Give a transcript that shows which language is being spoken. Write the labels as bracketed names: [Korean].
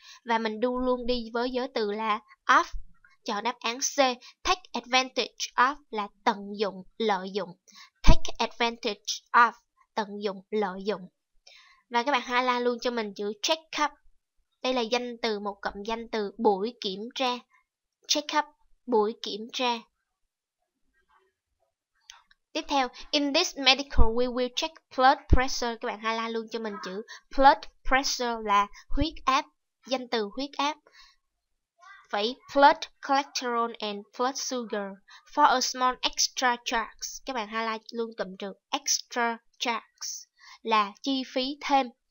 [Vietnamese] Và mình đu luôn đi với giới từ là of. Chọn đáp án C, take advantage of là tận dụng, lợi dụng. Take advantage of, tận dụng, lợi dụng. Và các bạn highlight luôn cho mình chữ check up. Đây là danh từ, một cụm danh từ buổi kiểm tra. Check up, buổi kiểm tra. Tiếp theo, [English] in this medical we will check blood pressure. [Vietnamese] Các bạn highlight luôn cho mình chữ blood pressure là huyết áp, danh từ huyết áp. [English] Vậy, blood cholesterol and blood sugar for a small extra charge. [Vietnamese] Các bạn highlight luôn cụm từ extra charge là chi phí thêm.